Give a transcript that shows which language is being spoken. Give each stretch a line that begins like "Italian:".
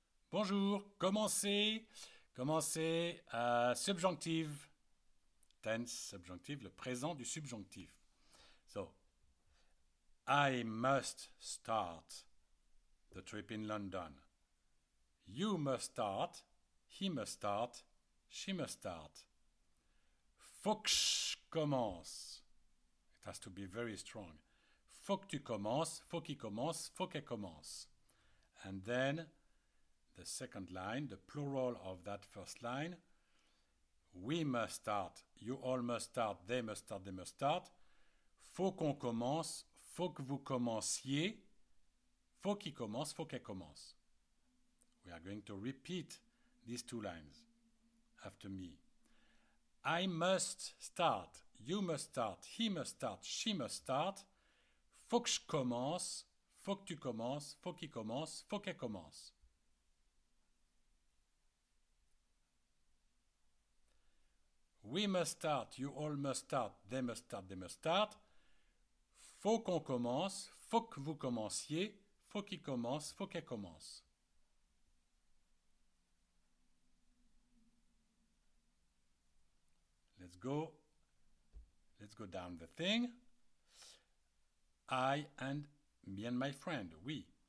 French: Bonjour, commencez à subjonctive, tense subjonctive, le présent du subjonctif.
English: So, I must start the trip in London. You must start, he must start, she must start.
French: Faut que je commence.
English: It has to be very strong.
French: Faut que tu commences, faut qu'il commence, faut qu'elle commence.
English: And then, the second line, the plural of that first line. We must start. You all must start. They must start. They must start.
French: Faut qu'on commence. Faut que vous commenciez. Faut qu'il commence. Faut qu'elle commence.
English: We are going to repeat these two lines after me. I must start. You must start. He must start. She must start.
French: Faut que je commence. Faut que tu commences. Faut qu'il commence. Faut qu'elle commence.
English: We must start, you all must start, they must start, they must start.
French: Faut qu'on commence, faut que vous commenciez, faut qu'il commence, faut qu'elle commence.
English: Let's go down the thing. I and me and my friend, we.